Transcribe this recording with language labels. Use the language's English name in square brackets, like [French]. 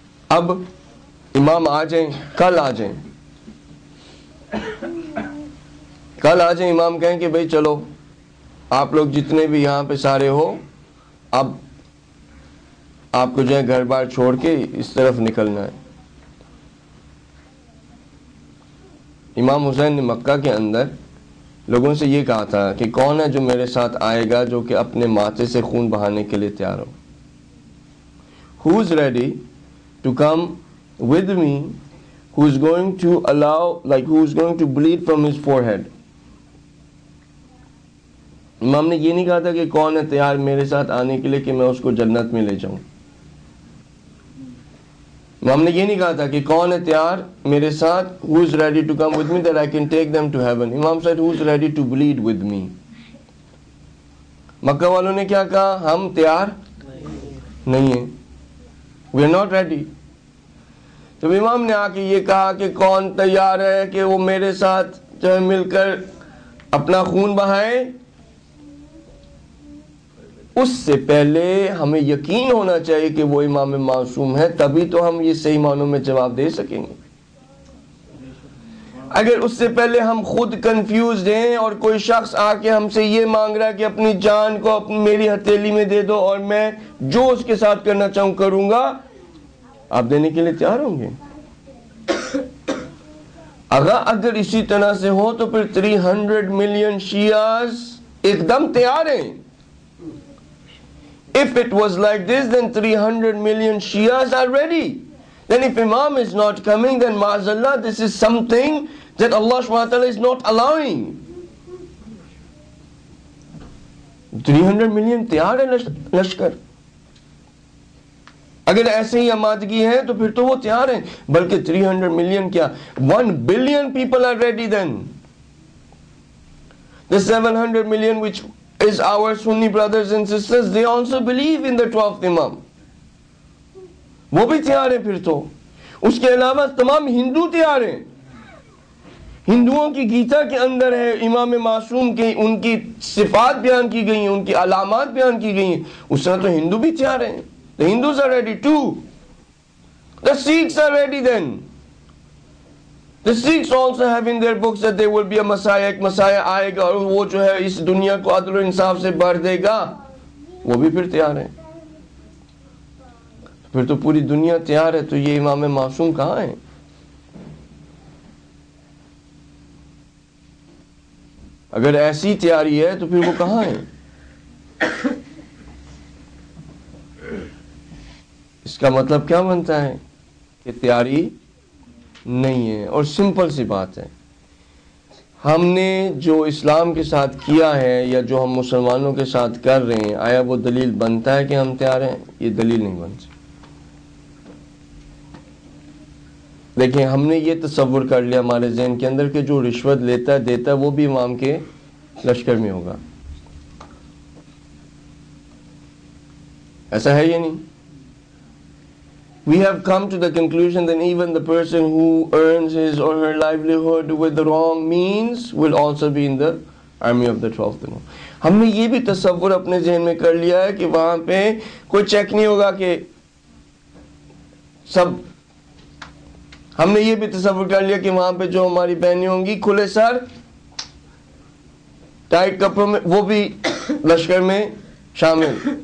[Urdu] اب امام آ جائیں, کل آ جائیں, کل آ جائیں, امام کہیں کہ بھئی چلو آپ لوگ جتنے بھی یہاں پہ سارے ہو, اب آپ کو جو ہے گھر بار چھوڑ کے اس طرف نکلنا ہے, امام حسین نے مکہ کے اندر لوگوں سے یہ کہا تھا کہ کون ہے جو میرے ساتھ آئے گا جو کہ اپنے ماتھے سے خون بہانے کے لیے تیار ہو. [English] Who is ready to come with me, who is going to allow, like who is going to bleed from his forehead. [Urdu] امام نے یہ نہیں کہا تھا کہ کون ہے تیار میرے ساتھ آنے کے لیے کہ میں اس کو جنت میں لے جاؤں. امام نے یہ نہیں کہا تھا کہ کون ہے تیار میرے ساتھ, [English] who is ready to come with me that I can take them to heaven. امام said who is ready to bleed with me. [Urdu] مکہ والوں نے کیا کہا, ہم تیار نہیں ہیں, [English] we are not ready. [Urdu] تو امام نے آ کے یہ کہا کہ کون تیار ہے کہ وہ میرے ساتھ جو ہے مل کر اپنا خون بہائے. اس سے پہلے ہمیں یقین ہونا چاہیے کہ وہ امام معصوم ہے, تبھی تو ہم یہ صحیح معنوں میں جواب دے سکیں گے. اگر اس سے پہلے ہم خود کنفیوزڈ ہیں اور کوئی شخص آ کے ہم سے یہ مانگ رہا ہے کہ اپنی جان کو میری ہتھیلی میں دے دو اور میں جو اس کے ساتھ کرنا چاہوں کروں گا, آپ دینے کے لیے تیار ہوں گے؟ اگر اسی طرح سے ہو تو پھر 300 million شیعہ ایک دم تیار ہیں. [English] If it was like this, then 300 million Shias are ready. Then if Imam is not coming, then mazallah, this is something that Allah subhanahu wa ta'ala is not allowing. [Urdu] 300 million تیار ہے لشکر. اگر ایسے ہی آمادگی ہے تو پھر تو وہ تیار ہیں. بلکہ 300 million کیا, [English] 1 billion people are ready then. The 700 million which is our Sunni brothers and sisters, they also believe in the 12th Imam. [Urdu] وہ بھی تیار ہیں پھر تو. اس کے علاوہ تمام ہندو تیار ہیں. ہندوؤں کی گیتا کے اندر ہے امام معصوم کے, ان کی صفات بیان کی گئی ہیں, ان کی علامات بیان کی گئی ہیں. اس طرح تو ہندو بھی تیار ہیں. [English] The Hindus are ready too. The Sikhs are ready then. The Sikhs also have in their books that there will be a Messiah, [Urdu] ایک مسائح آئے گا اور وہ جو ہے اس دنیا کو عدل و انصاف سے بھر دے گا. وہ بھی پھر تیار ہیں. پھر تو پوری دنیا تیار ہے, تو یہ امام معصوم کہاں ہیں؟ اگر ایسی تیاری ہے تو پھر وہ کہاں ہیں؟ اس کا مطلب کیا بنتا ہے کہ تیاری نہیں ہے. اور سمپل سی بات ہے, ہم نے جو اسلام کے ساتھ کیا ہے یا جو ہم مسلمانوں کے ساتھ کر رہے ہیں, آیا وہ دلیل بنتا ہے کہ ہم تیار ہیں؟ یہ دلیل نہیں بنتی. دیکھیں, ہم نے یہ تصور کر لیا ہمارے ذہن کے اندر کہ جو رشوت لیتا ہے دیتا ہے وہ بھی امام کے لشکر میں ہوگا. ایسا ہے یا نہیں؟ [English] We have come to the conclusion that even the person who earns his or her livelihood with the wrong means will also be in the army of the 12th Imam. [Urdu] ہم نے یہ بھی تصور اپنے ذہن میں کر لیا ہے کہ وہاں پہ کوئی چیک نہیں ہوگا کہ سب. ہم نے یہ بھی تصور کر لیا کہ وہاں پہ جو ہماری بہنیں ہوں گی کھلے سر ٹائٹ کپڑوں میں, وہ بھی لشکر میں شامل.